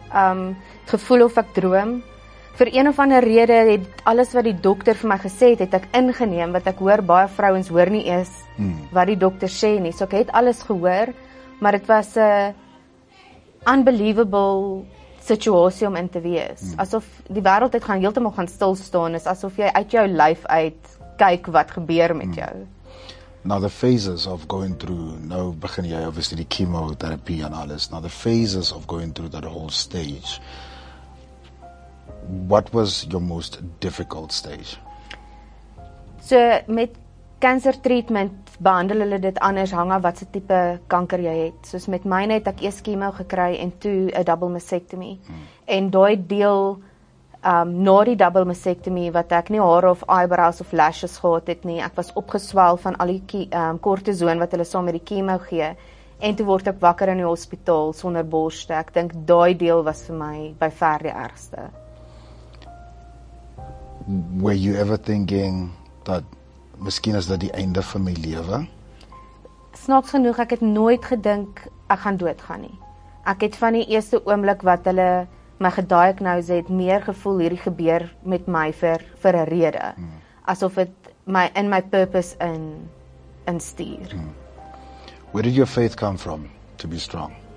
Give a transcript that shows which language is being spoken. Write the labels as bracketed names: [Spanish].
[Afrikaans] Het gevoel of ek droom. Vir een of ander rede het alles wat die dokter vir my gesê het, het ek ingeneem, wat ek hoor, baie vrouens hoor nie eers wat die dokter sê nie. So ek het alles gehoor, maar het was 'n unbelievable situasie om in te wees. Asof die wereld het gaan heeltemal gaan stilstaan, is asof jy uit jou lyf uit kyk wat gebeur met jou. [English] Now the phases of going through, [Afrikaans] nou begin jy obviously die chemotherapie en alles. [English] Now the phases of going through that whole stage, what was your most difficult stage? [Afrikaans] So met cancer treatment behandel hulle dit anders hang af watse tipe kanker jy het. Soos met myne het ek eers chemo gekry en toe 'n double mastectomy. En daai deel na die double mastectomy wat ek nie hare of eyebrows of lashes gehad het nie. Ek was opgeswel van al die kortison wat hulle saam met die chemo gee. En toe word ek wakker in die hospitaal sonder borste. Ek dink daai deel was vir my by ver die ergste. [English] Were you ever thinking that [Afrikaans] miskien is dit die einde van my lewe? Snaaks genoeg, ek het nooit gedink ek gaan doodgaan nie. Ek het van die eerste oomblik wat hulle my gediagnose het, meer gevoel hierdie gebeur met my vir 'n rede. Asof dit my in my purpose in stuur. [English] Where did your faith come from to be strong?